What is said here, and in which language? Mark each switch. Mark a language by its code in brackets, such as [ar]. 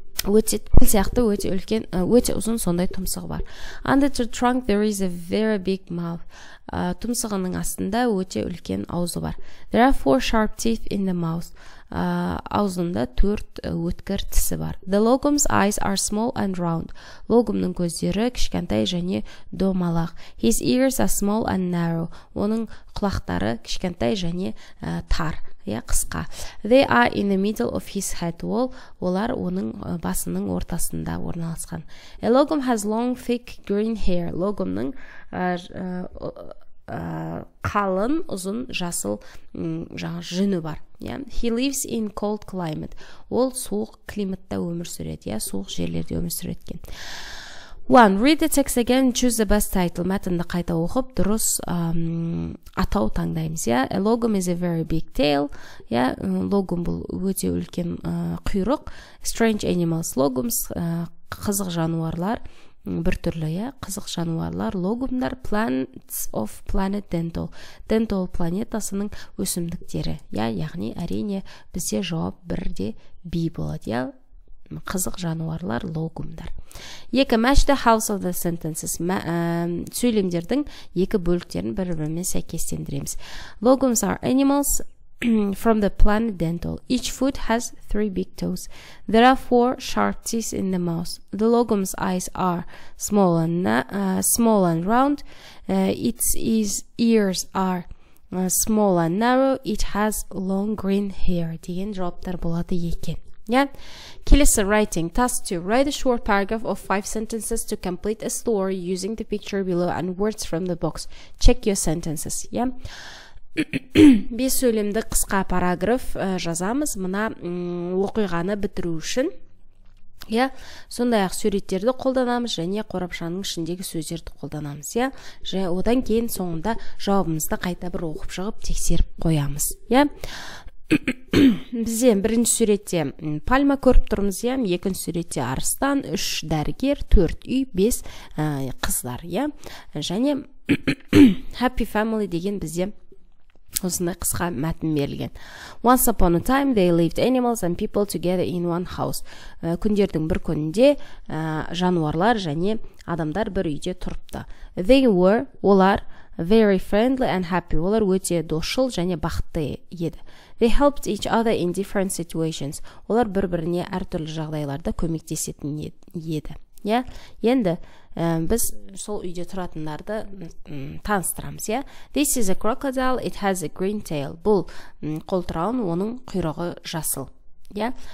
[kk] Өте ұзын сондай тұмсығы бар. [en] Under the trunk there is a very big mouth. [kk] Тұмсығының астында өте үлкен аузы бар. [en] There are four sharp teeth in the mouth. [kk] Аузында төрт өткір тісі бар. [en] The logum's eyes are small and round. [kk] Логумның көздері кішкентай және домалақ. [en] His ears are small and narrow. [kk] Оның құлақтары кішкентай және тар. Қысқа. [en] They are in the middle of his head. [kk] Олар оның басының ортасында орналасқан. [en] A logum has long, thick, green hair. [kk] Логумның қалын, ұзын, жасыл жүні бар. [en] He lives in cold climate. [kk] Ол суық климатта өмір сүреді, суық жерлерде өмір сүреткен. [en] 1. Read the text again and choose the best title. [kk] Мәтінді қайта оқып, дұрыс атау таңдаймыз. [en] A logum is a very big tail. [kk] Логум бұл өте үлкен құйрық. [en] Strange animals. [kk] Логумс қызық жануарлар. Бір түрлі қызық жануарлар. [en] Логумдар plants of planet Dental. [kk] Dental планетасының өсімдіктері. Яғни әрине бізде жауап бірде B болады. Қызық жануарлар, логумдар. [en] Екі, match the halves of the sentences. [kk] Сөйлемдердің екі бөліктерін бір-бірімен сәйкестендіреміз. [en] Logums are animals from the planet Dental. Each foot has three big toes. There are four sharp teeth in the mouth. The logum's eyes are small and round. Its ears are small and narrow. It has long green hair. [kk] Деген жауаптар болады екен. Келесі, writing. [en] Task 2. Write a short paragraph of 5 sentences to complete a story using the picture below and words from the box. Check your sentences. [kk] 5 сөйлемді қысқа параграф жазамыз. Мына оқиғаны бітіру үшін. Сондай-ақ сөреттерді қолданамыз және қорапшаның ішіндегі сөздерді қолданамыз. Одан кейін соңында жауабымызды қайта бір оқып шығып тексеріп қоямыз. Бізден бірінші сүретте пальма көріп тұрмыз, екінші сүретте арыстан, үш дәрігер, төрт үй, бес қыздар. Және [en] happy family [kk] деген бізден Осында қысқа мәтін берілген. [en] Once upon a time, they lived animals and people together in one house. [kk] Күндердің бір күнінде жануарлар және адамдар бір үйде тұрыпты. [en] They were, олар, very friendly and happy. [kk] Олар өте дошыл және бақытты еді. [en] They helped each other in different situations. [kk] Олар бір-біріне әртүрлі жағдайларда көмектесетін еді. [en] Yeah? [kk] Енді біз сол үйде тұратындарды таныстырамыз. [en] Yeah? This is a crocodile. It has a green tail. [kk] Бұл қолтырауын, оның құйрығы жасыл. [en] Yeah?